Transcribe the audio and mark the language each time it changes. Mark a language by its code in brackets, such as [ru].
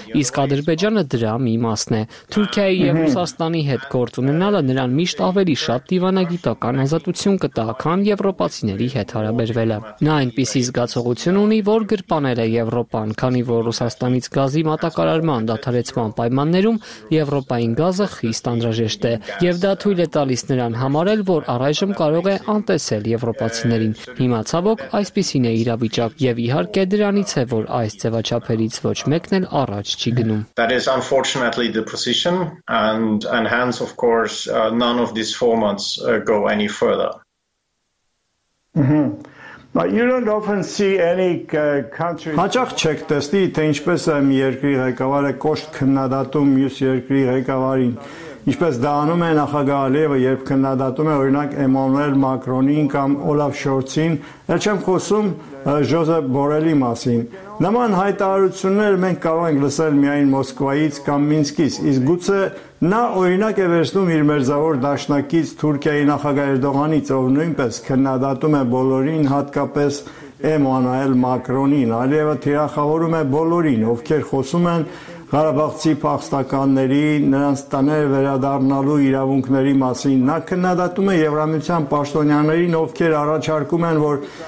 [hy] իսկ Ադրբեջանը դրա մի մասն է։ Թուրքիայի և Ռուսաստանի հետ գործ ունենալը նրան միշտ ավելի շատ դիվանագիտական ազատություն կտա, քան եվրոպացիների հետ հարաբերվելը։ Նա այնպիսի զգացողություն ունի, որ գրպաներ է Եվրոպան, քանի որ Ռուսաստանից գազի մատակարարման դադարեցման պայմաններում Եվրոպային գազը խիստ անդրաժեշտ է, և դա թույլ է տալիս նրան համարել, որ առայժմ կարող է անտեսել եվրոպացիներին։ Հիմա ցավոք այսպիսին է իրավիճակ, և իհարկե դրանից է, որ այս ձևաչափերից ոչ մեկն էլ առաջ չի գնում։ [en] That is unfortunately the position, and hence, of course, none of these formats go any further. Mm-hmm. But you don't often see any country. [hy] Հաճախ չեք տեսնի, թե ինչպես է մի երկրի ղեկավարը կոշտ քննադատում մյուս երկրի ղեկավարին, ինչպես դա անում է նախագահ Ալիևը, երբ քննադատում է օրինակ Էմանուել Մակրոնին կամ Օլաֆ Շորցին, ես չեմ խոսում Ժոզեփ Բորելի մասին։ Նման հայտարարություններ մենք կարող ենք լսել միայն Մոսկվայից կամ Մինսկից, իսկ գուցե նա օրինակ է վերցնում իր մերձավոր դաշնակից Թուրքիայի նախագահ Էրդողանից, ով նույնպես քննադատում է բոլորին, հատկապես Էմանուել Մակրոնին։ Ալիևը թիրախավորում է բոլորին, ովքեր խոսում են Ղարաբաղցի փախստականների, նրանց տները վերադառնալու իրավունքների մասին։ Նա քննադատում է Եվրամիության պաշտոնյաներին, ովքեր առաջարկում են, որ